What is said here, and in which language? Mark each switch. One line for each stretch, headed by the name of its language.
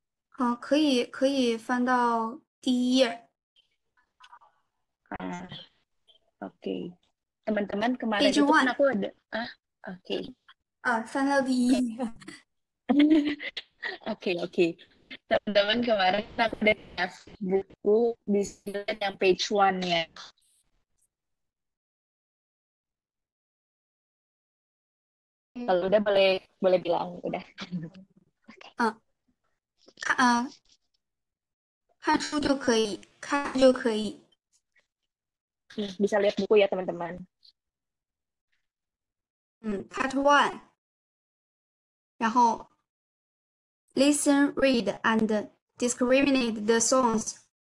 Chinese: 啊，可以可以翻到第一页。
English: Oke, okay.
Indonesian: Teman-teman kemarin itu kan aku ada. Oke.
English: Okay. Final di.
Indonesian: Oke oke. Teman-teman kemarin aku ada tes buku di sini yang
English: page one
Indonesian: ya. Kalau udah boleh boleh bilang udah. Oke. Ah. Ah. Kan buku juga boleh. Kan bisa lihat buku ya teman-teman.
English: Part one. 然后 listen, read, and discriminate the songs.